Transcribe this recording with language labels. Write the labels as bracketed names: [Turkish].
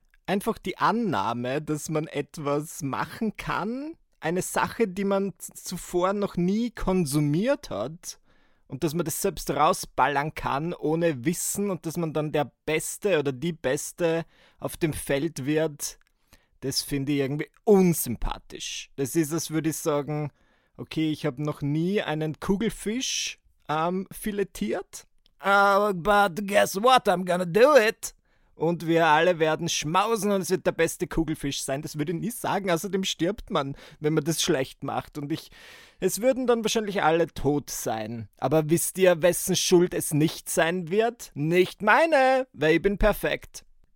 [German] Einfach die Annahme, dass man etwas machen kann, eine Sache, die man zuvor noch nie konsumiert hat, und dass man das selbst rausballern kann ohne Wissen und dass man dann der Beste oder die Beste auf dem Feld wird, das finde ich irgendwie unsympathisch. Das ist, als würde ich sagen, okay, ich habe noch nie einen Kugelfisch filetiert. [English] But guess what, I'm gonna do it. [German] Und wir alle werden schmausen und es wird der beste Kugelfisch sein. Das würde ich nie sagen, außerdem stirbt man, wenn man das schlecht macht. Und es würden dann wahrscheinlich alle tot sein. Aber wisst ihr, wessen Schuld es nicht sein wird? Nicht meine, weil ich bin perfekt.